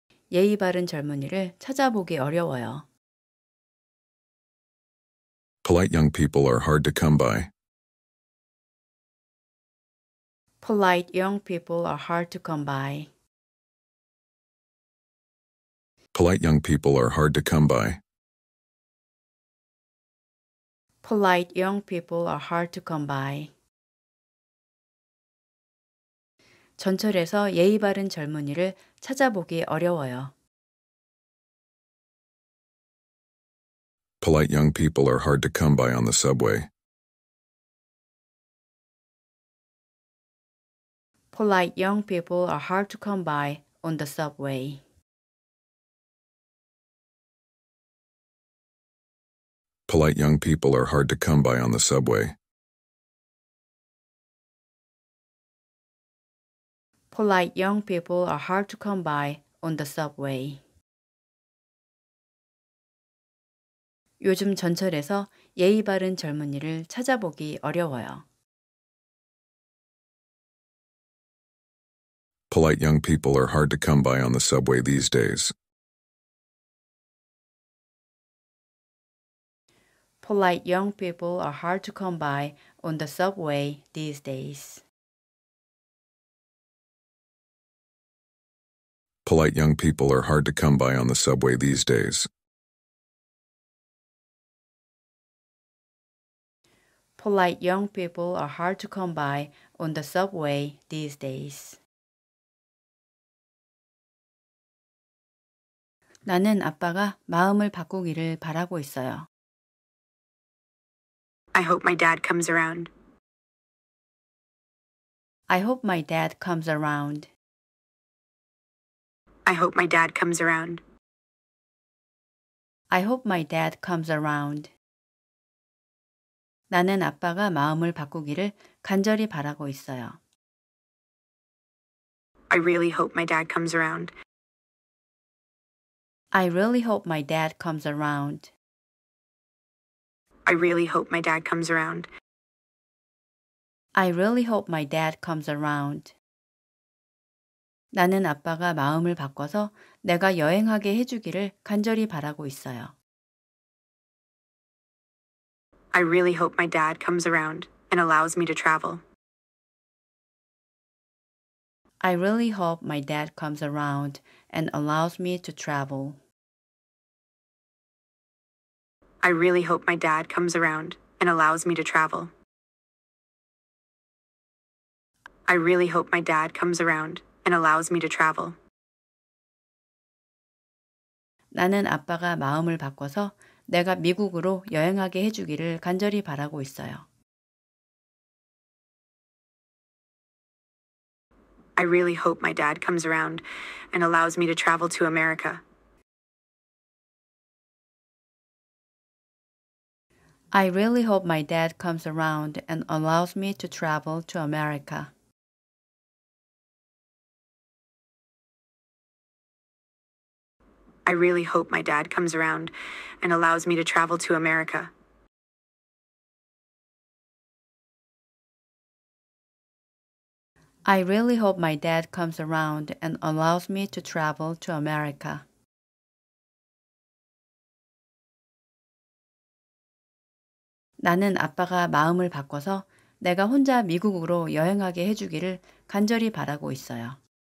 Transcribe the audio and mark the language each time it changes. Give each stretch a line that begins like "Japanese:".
Korean: 예의 바른 젊은이를 찾아보기 어려워요.
English: Polite young people are hard to come by. Polite young people are hard to come by. Polite young people are hard to come by. Polite young people are hard to come by.
Korean: 전철에서 예의 바른 젊은이를 찾아보기 어려워요.
English: Polite young people are hard to come by on the subway. Polite young people are hard to come by on the subway. Polite young people are hard to come by on the subway. Polite young people are hard to come by on the subway.
Korean: 요즘 전철에서 예의 바른 젊은이를 찾아보기 어려워요.
English: Polite young people are hard to come by on the subway these days. Polite young people are hard to come by on the subway these days. Polite young people are hard to come by on the subway these days. Polite young people are hard to come by on the subway these days.
Korean: 나는 아빠가 마음을 바꾸기를 바라고 있어요.
English: I hope my dad comes around. I hope my dad comes around. I hope my dad comes around. I hope my dad comes around.
Korean: 나는 아빠가 마음을 바꾸기를 간절히 바라고 있어요.
English: I really hope my dad comes around. I really hope my dad comes around. I really hope my dad comes around. I really hope my dad comes around.
Korean: 나는 아빠가 마음을 바꿔서 내가 여행하게 해주기를 간절히 바라고 있어요.
English: I really hope my dad comes around and allows me to travel. I really hope my dad comes around and allows me to travel. I really hope my dad comes around and allows me to travel. I really hope my dad comes around and allows me to travel.
Korean: 나는 아빠가 마음을 바꿔서 내가 미국으로 여행하게 해주기를 간절히 바라고 있어요.
English: I really hope my dad comes around and allows me to travel to America. I really hope my dad comes around and allows me to travel to America. I really hope my dad comes around and allows me to travel to America. I really hope my dad comes around and allows me to travel to America.
Korean: 나는 아빠가 마음을 바꿔서 내가 혼자 미국으로 여행하게 해주기를 간절히 바라고 있어요.